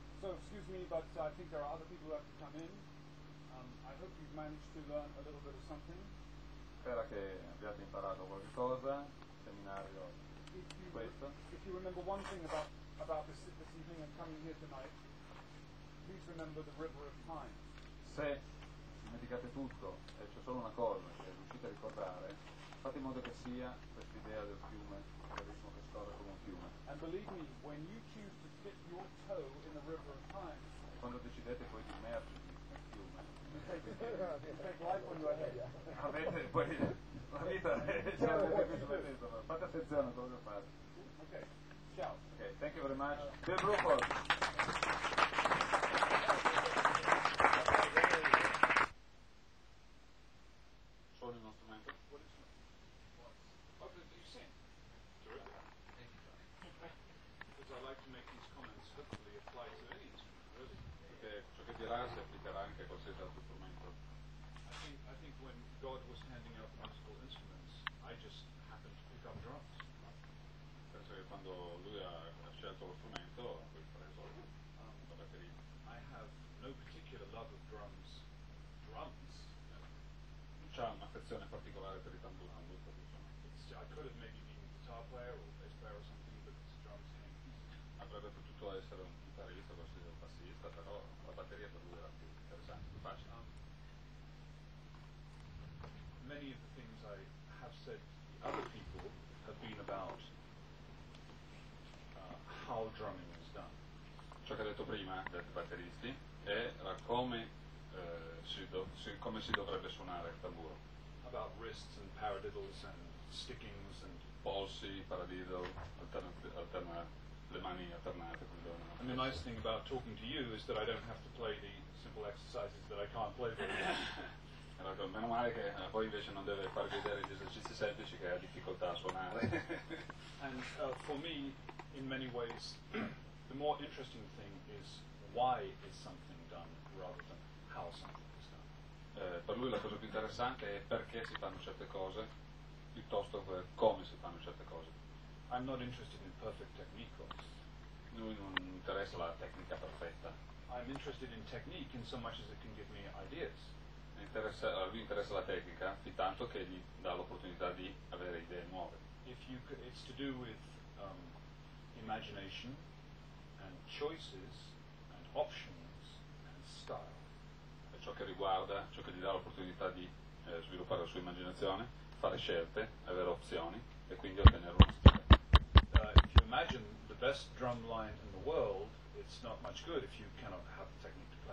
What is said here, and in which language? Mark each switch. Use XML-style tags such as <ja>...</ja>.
<en>So excuse me, but I think there are other people who have to come in. I hope you've managed to learn a little bit of something.</en> <it>Spero che abbiate imparato qualcosa, seminario questo.</it> <en>If you remember one thing about this evening and coming here tonight, please remember the river of time.</en> <it>Se dimenticate tutto e c'è solo una cosa che riuscite a ricordare, fate in modo che sia questa idea del fiume, del ritmo che scorre come un fiume.</it> <en>And believe me, when you choose to dip your toe in the river of time,</en> <it>quando decidete poi di immergervi. Avete poi la vita fate attenzione a quello che fate. Ok, ciao.</it> <en>Ok, thank you very much. Bill Bruford.</en> <it>Suoni il nostro momento.</it> <en>What is it? What did you sing? Terrific. Because I like to make these comments hopefully apply to any instrument, really.</en> <it>Perché ciò che dirà si applicherà anche a qualsiasi altro strumento.</it> <en>I think when God was handing out musical instruments, I just happened to pick up drums.</en> <it>Penso che quando lui ha scelto lo strumento, ha preso la batteria.</it> <en>I have no particular love of drums. Drums?</en> <it>Non c'ha un'affezione particolare per i tamburi.</it> <en>I could have maybe been a guitar player or bass player or something, but it's drums.</en> <it>Avrebbe potuto essere un chitarrista, forse un bassista, però la batteria per lui era più interessante, più facile.</it> <en>Many of the things I have said to other people have been about how drumming is done.</en> <it>Ciò che ho detto prima, detto batteristi, era come si detto come si dovrebbe suonare il tamburo.</it> <en>About wrists and paradiddles and stickings and</en> <it>polsi, paradiddle, le mani alternate.</it> <en>And the nice thing about talking to you is that I don't have to play the simple exercises that I can't play very well.</en> <it>Ecco, meno male che poi invece non deve far vedere gli esercizi semplici che ha difficoltà a suonare.</it> <en>And for me, in many ways, the more interesting thing is why is something done rather than how something is done.</en> <it>Per lui la cosa più interessante è perché si fanno certe cose piuttosto che come si fanno certe cose.</it> <en>I'm not interested in perfect technique.</en> <it>Lui non interessa la tecnica perfetta.</it> <en>I'm interested in technique in so much as it can give me ideas.</en> <it>Lui interessa la tecnica fin tanto che gli dà l'opportunità di avere idee nuove.</it> <en>If you it's to do with imagination and choices and options and style.</en> <it>E ciò che riguarda, ciò che gli dà l'opportunità di sviluppare la sua immaginazione, fare scelte, avere opzioni e quindi ottenere uno stile.</it> <en>If you imagine the best drum line in the world, it's not much good if you cannot have the technique.</en>